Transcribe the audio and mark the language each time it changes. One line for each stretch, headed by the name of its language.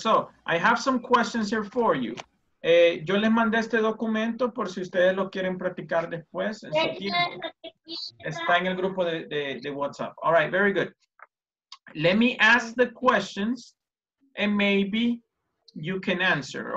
English: So, I have some questions here for you.
Spanish: Yo les mandé este documento por si ustedes lo quieren practicar después. En su tiempo. Está en el grupo de WhatsApp.
English: All right, very good. Let me ask the questions and maybe you can answer.